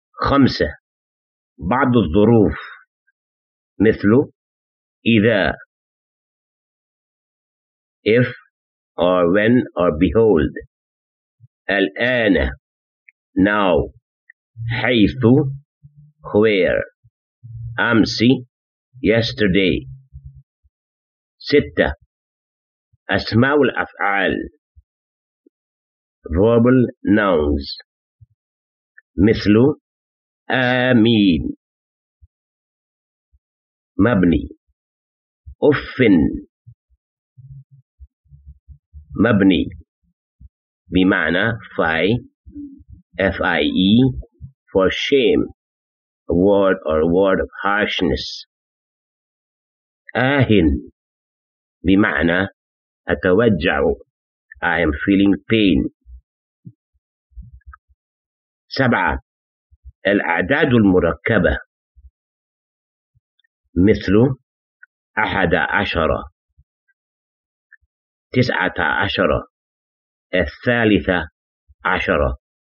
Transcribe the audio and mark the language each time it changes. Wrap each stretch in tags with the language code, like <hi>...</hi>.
<ar>خمسة بعض الظروف, مثل إذا,</ar> <en>if, or when, or behold,</en> <ar>الآن,</ar> <en>now,</en> <ar>حيث,</ar> <en>where,</en> <ar>أمس,</ar> <en>yesterday.</en> <ar>ستة أسماء الأفعال,</ar> <en>verbal nouns,</en> <ar>مثل آمين, مبني. أفن مبني بمعنى فاي,</ar> <en>F-I-E, for shame, a word or a word of harshness.</en> <ar>آهن بمعنى أتوجع,</ar> <en>I am feeling pain.</en> <ar>سبعة الأعداد المركبة, مثل أحد عشر, تسعة عشر, الثالثة عشرة.</ar>